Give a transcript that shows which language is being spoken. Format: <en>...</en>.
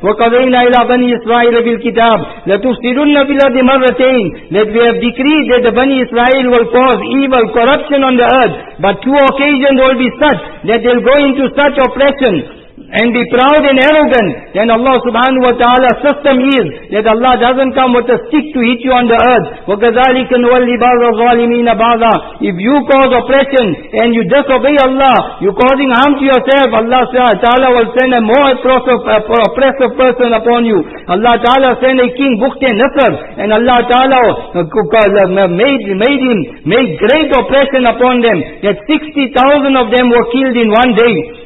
<ar>وَقَضَيْنَا إِلَىٰ بَنِي إِسْرَائِيلَ فِي الْكِتَابِ لَتُفْسِدُنَّ فِي الْأَرْضِ مَرَّتَيْنِ,</ar> <en>that we have decreed that the Bani Israel will cause evil, corruption on the earth, but two occasions will be such that they will go into such oppression and be proud and arrogant. Then Allah Subhanahu Wa Ta'ala's system is that Allah doesn't come with a stick to hit you on the earth.</en> <ar>وَقَذَلِكَ نُوَلِّي بَعْضَ الظَّالِمِينَ بَعْضًا.</ar> <en>If you cause oppression and you disobey Allah, you're causing harm to yourself, Allah Subhanahu Wa Ta'ala will send a more oppressive person upon you. Allah Ta'ala sent a king, Bukhti Nasr, and Allah Ta'ala made great oppression upon them, that 60,000 of them were killed in one day.</en>